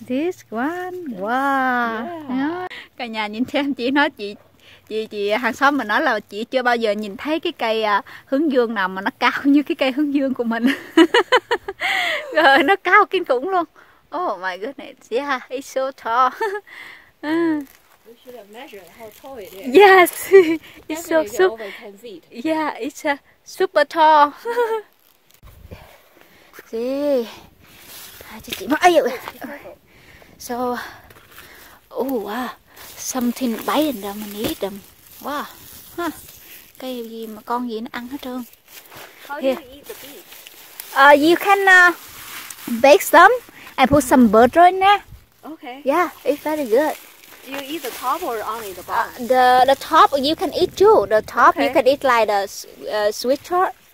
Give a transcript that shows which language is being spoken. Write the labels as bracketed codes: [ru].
[en] This one. Wow. Yeah. Yeah. [vi] Cả nhà nhìn xem chị nói chị hàng xóm mình nói là chị chưa bao giờ nhìn thấy cái cây hướng dương nào mà nó cao như cái cây hướng dương của mình. Rồi nó cao kinh khủng luôn. [en] Oh my goodness. Yeah, it's so tall. We should have measured how tall it is. Yes. It's so super. Over 10 feet. Yeah, it's super tall. See. So, oh wow, something biting them and eat them. Wow, huh? [vi] Cây gì mà con gì nó ăn hết trơn. [en] How do you eat the beet? You can bake them and put some butter in there. Okay. Yeah, it's very good. You eat the top or only the bottom? The top you can eat too. The top okay. You can eat like the sweet chard.